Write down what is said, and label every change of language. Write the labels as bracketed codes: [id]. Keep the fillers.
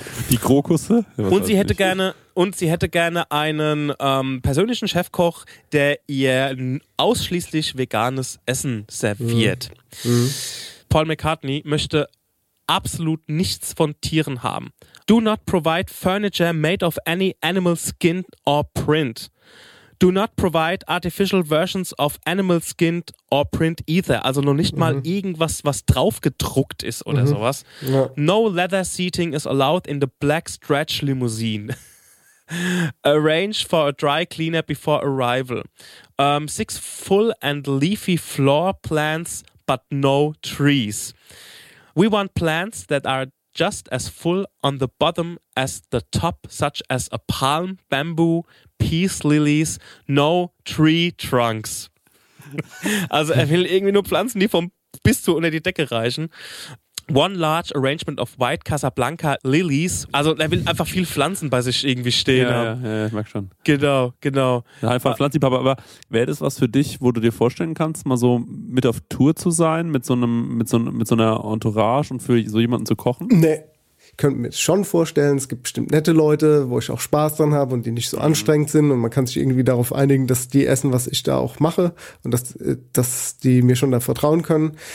[de] die Krokusse. Ja, was Und sie weiß hätte ich. gerne und sie hätte gerne einen ähm, persönlichen Chefkoch, der ihr n- ausschließlich veganes Essen serviert. Paul McCartney möchte absolut nichts von Tieren haben. [en] Do not provide furniture made of any animal skin or print. Do not provide artificial versions of animal skin or print either. [de] Also noch nicht mal irgendwas, was drauf gedruckt ist oder sowas. [en] No leather seating is allowed in the black stretch limousine. Arrange for a dry cleaner before arrival. Um, six full and leafy floor plants, but no trees. We want plants that are just as full on the bottom as the top, such as a palm, bamboo, peace lilies, no tree trunks. [de] Also er will irgendwie nur Pflanzen, die vom bis zu unter die Decke reichen. [en] One large arrangement of white Casablanca lilies. [de] Also er will einfach viel Pflanzen bei sich irgendwie stehen Ja, haben. ja, ja, ich merk schon. Genau, genau. Ja, Einfach Pflanzliebhaber, aber wäre das was für dich, wo du dir vorstellen kannst, mal so mit auf Tour zu sein, mit so einem, mit so, einem- mit so einer Entourage und für so jemanden zu kochen? Nee. Ich könnte mir schon vorstellen, es gibt bestimmt nette Leute, wo ich auch Spaß dran habe und die nicht so anstrengend sind und man kann sich irgendwie darauf einigen, dass die essen, was ich da auch mache und dass, äh, dass die mir schon da vertrauen können.